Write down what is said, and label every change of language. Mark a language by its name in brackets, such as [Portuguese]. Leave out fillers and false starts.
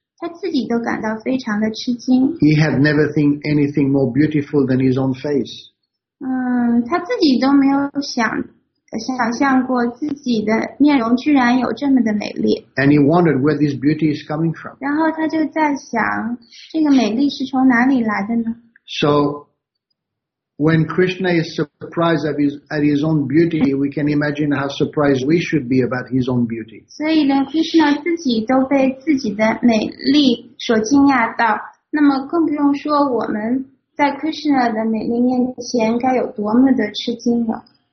[Chinese] 他自己都感到非常的吃惊。 [English] He had never seen anything more beautiful than his own face. [Chinese] 他自己都没有想象过自己的面容居然有这么的美丽。 [English] And he wondered where this beauty is coming from. [Chinese] 然后他就在想，这个美丽是从哪里来的呢 [English] ？So when Krishna is surprised at his own beauty, we can imagine how surprised we should be about his own beauty. [Chinese] 所以连 Krishna 自己都被自己的美丽所惊讶到，那么更不用说我们在 Krishna 的美丽面前该有多么的吃惊了。